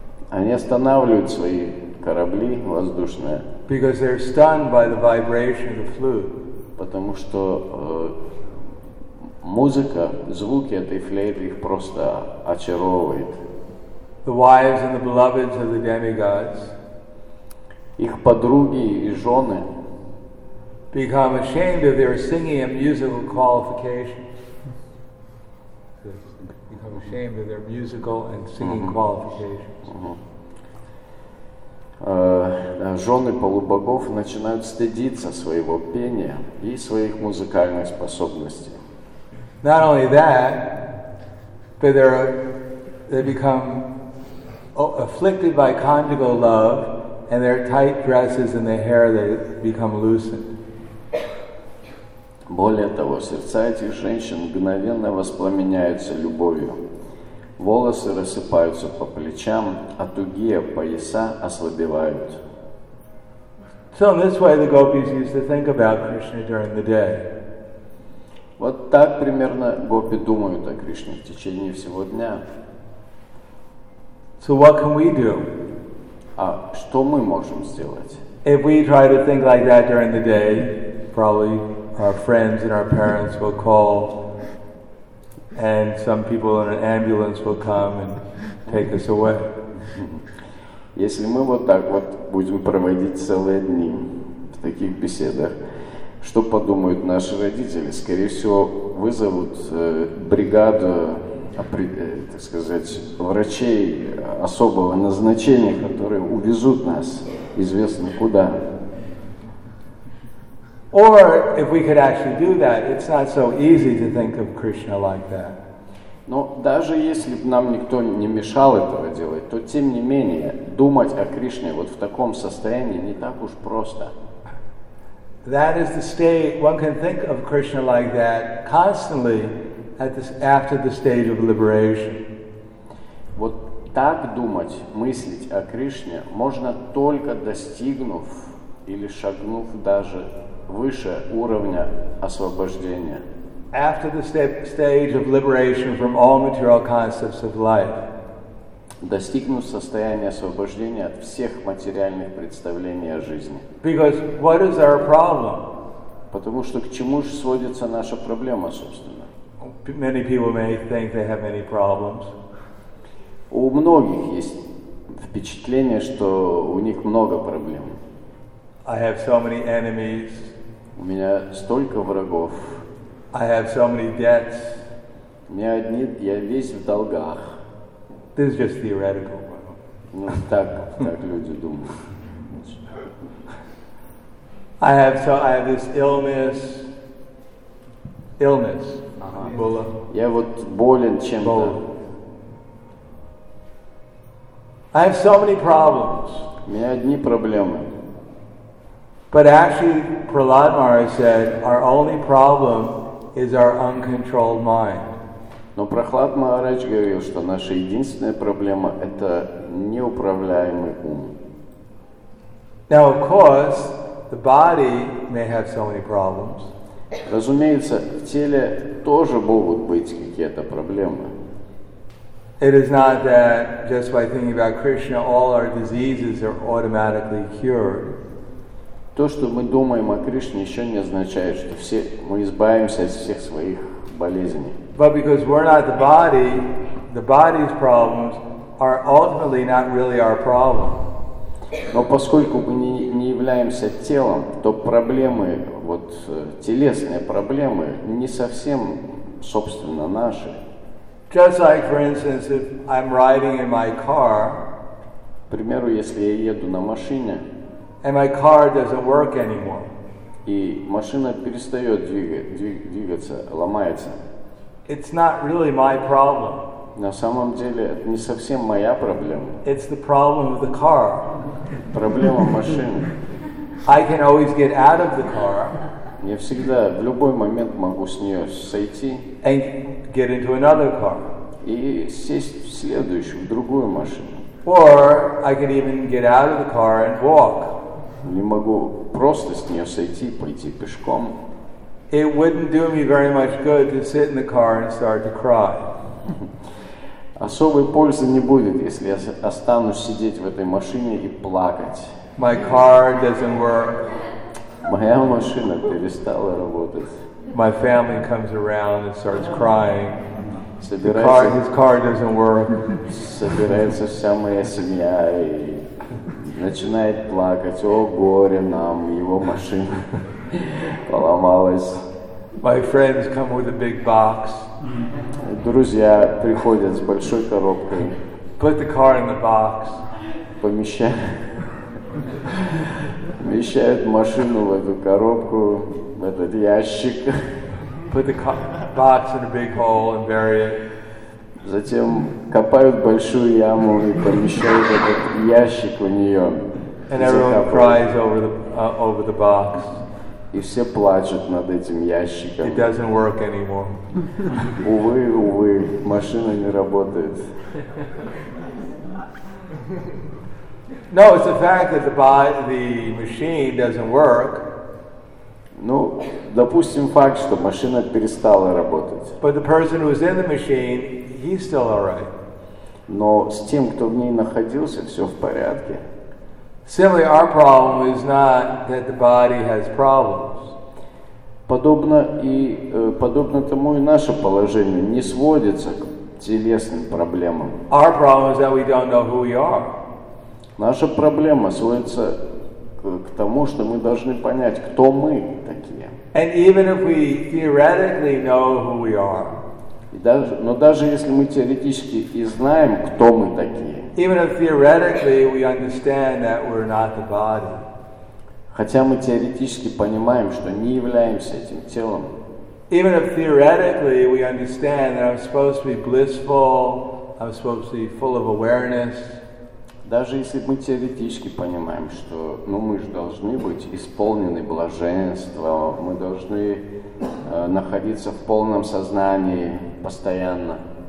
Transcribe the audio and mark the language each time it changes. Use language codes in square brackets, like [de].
[ru] Они останавливают свои корабли воздушные. [en] Because they're stunned by the vibration of the flute. [ru] Потому что музыка, звуки этой флейты их просто очаровывает. [en] The wives and the beloveds of the demigods. [ru] Их подруги и жены. [en] Become ashamed of their singing and musical qualifications. Become ashamed of their musical and singing qualifications. [ru] Жены полубогов начинают стыдиться своего пения и своих музыкальных способностей. [en] Not only that, but they become afflicted by conjugal love, and their tight dresses and their hair they become loosened. [ru] Более того, сердца этих женщин мгновенно воспламеняются любовью. Волосы рассыпаются по плечам, а тугие пояса ослабевают. [en] So in this way the gopis used to think about Krishna during the day. [ru] Вот так примерно гопи думают о Кришне в течение всего дня. [en] So what can we do? [ru] А что мы можем сделать? [en] If we try to think like that during the day, probably our friends and our parents will call. And some people in an ambulance will come and take us away. [ru] Если мы вот так вот будем проводить целые дни в таких беседах, что подумают наши родители? Скорее всего, вызовут бригаду так сказать, врачей особого назначения, которые увезут нас известно куда. [en] Or if we could actually do that, it's not so easy to think of Krishna like that. [ru] Но даже если бы нам никто не мешал этого делать, то тем не менее думать о Кришне вот в таком состоянии не так уж просто. [en] That is the state one can think of Krishna like that constantly after the stage of liberation. [ru] Вот так думать, мыслить о Кришне можно только достигнув или шагнув даже выше уровня освобождения. [en] After the stage of liberation from all material concepts of life. [ru] Достигнув состояния освобождения от всех материальных представлений о жизни. [en] Because what is our problem? [ru] Потому что к чему же сводится наша проблема, собственно? [en] Many people may think they have many problems. [ru] У многих есть впечатление, что у них много проблем. [en] I have so many enemies. [ru] У меня столько врагов. [en] I have so many debts. [ru] Я весь в долгах. [en] This is just theoretical. [ru] Ну, так люди думают. [en] I have this illness. Illness. Була. [ru] Я вот болен чем-то. [en] I have so many problems. [ru] У меня одни проблемы. [en] But actually, Prahlad Maharaj said, our only problem is our uncontrolled mind. [ru] Но Прохлад Махарадж говорил, что наша единственная проблема – это неуправляемый ум. [en] Now, of course, the body may have so many problems. [ru] Разумеется, в теле тоже могут быть какие-то проблемы. [en] It is not that just by thinking about Krishna, all our diseases are automatically cured. [ru] То, что мы думаем о Кришне, еще не означает, что все мы избавимся от всех своих болезней. [en] But because we're not the body, the body's problems are ultimately not really our problem. [ru] Но поскольку мы не являемся телом, то проблемы, вот телесные проблемы, не совсем, собственно, наши. [en] Just like, for instance, if I'm riding in my car. [ru] К примеру, если я еду на машине. [en] And my car doesn't work anymore. [ru] И машина перестает двигаться, ломается. [en] It's not really my problem. [ru] На самом деле, это не совсем моя проблема. [en] It's the problem of the car. [ru] Проблема машины. [en] I can always get out of the car. [ru] Я всегда в любой момент могу с нее сойти. [en] And get into another car. [ru] И сесть в следующую, в другую машину. [en] Or I can even get out of the car and walk. [ru] Не могу просто с нее сойти, пойти пешком. [en] It wouldn't do me very much good to sit in the car and start to cry. [ru] Особой пользы не будет, если я останусь сидеть в этой машине и плакать. [en] My car doesn't work. [ru] Моя машина перестала работать. [en] My family comes around and starts crying. His car doesn't work. [ru] Собирается вся моя семья и начинает плакать. О, горе нам, его машина поломалась. [en] My friends come with a big box. [ru] Друзья приходят с большой коробкой. [en] Put the car in the box. [ru] Помещают машину в эту коробку, в этот ящик. [en] Put the box in a big hole and bury it. [ru] Затем копают большую яму и помещают этот ящик у нее. [en] And everyone cries over the box. [ru] И все плачут над этим ящиком. [en] It doesn't work anymore. [ru] Увы, увы, машина не работает. [en] No, it's the fact that the machine doesn't work. [ru] Ну, допустим, факт, что машина перестала работать. [en] But the person who was in the machine, he's still all right. [ru] Но с тем, кто в ней находился, все в порядке. [en] Similarly, our problem is not that the body has problems. [ru] Подобно тому и наше положение не сводится к телесным проблемам. [en] Our problem is that we don't know who we are. [ru] Наша проблема сводится к тому, что мы должны понять, кто мы такие. [en] And even if we theoretically know who we are. [ru] И даже, но даже если мы теоретически и знаем, кто мы такие, [en] even if theoretically we understand that we're not the body, [ru] хотя мы теоретически понимаем, что не являемся этим телом, [en] even if theoretically we understand that I'm supposed to be blissful, I'm supposed to be full of awareness, [ru] даже если мы теоретически понимаем, что ну, мы же должны быть исполнены блаженства, мы должны находиться в полном сознании постоянно.